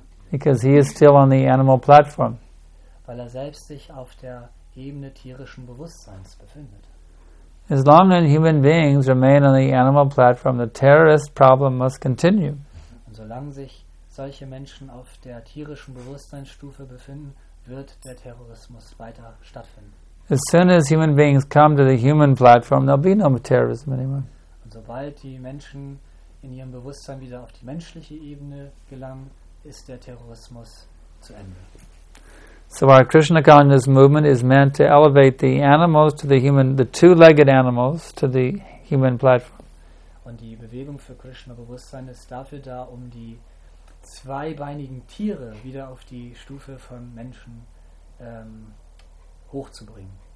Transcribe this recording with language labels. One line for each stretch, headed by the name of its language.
English: Because he is still on the animal platform.
German: Weil selbst sich auf der Ebene tierischen Bewusstseins befindet.
English: As long as human beings remain on the animal platform, the terrorist problem must continue.
German: Und solange sich solche Menschen auf der tierischen Bewusstseinsstufe befinden, wird der Terrorismus weiter stattfinden.
English: As soon as human beings come to the human platform, there'll be no terrorism anymore.
German: Und sobald die Menschen in ihrem Bewusstsein wieder auf die menschliche Ebene gelangen, ist der Terrorismus zu Ende.
English: So our Krishna consciousness movement is meant to elevate the animals to the human, the two-legged animals to the human platform.
German: Und die Bewegung für Krishna Bewusstsein ist dafür da, um die zweibeinigen Tiere wieder auf die Stufe von Menschen hochzubringen.